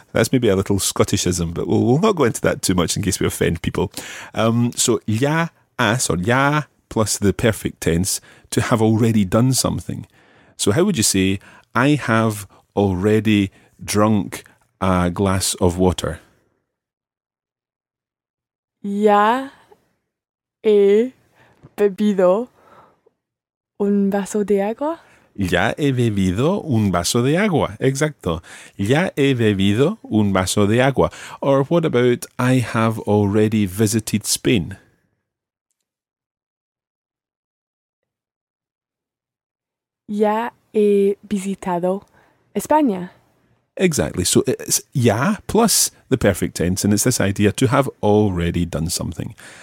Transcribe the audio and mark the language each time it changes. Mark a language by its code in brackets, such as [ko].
[en] That's maybe a little Scottishism, but we'll not go into that too much in case we offend people. So, ya has, or ya plus the perfect tense, to have already done something. So how would you say, I have already drunk a glass of water? [es] Ya he bebido un vaso de agua. Ya he bebido un vaso de agua. Exacto. Ya he bebido un vaso de agua. [en] Or what about, I have already visited Spain? [es] Ya he visitado España. [en] Exactly. So it's ya plus the perfect tense, and it's this idea to have already done something.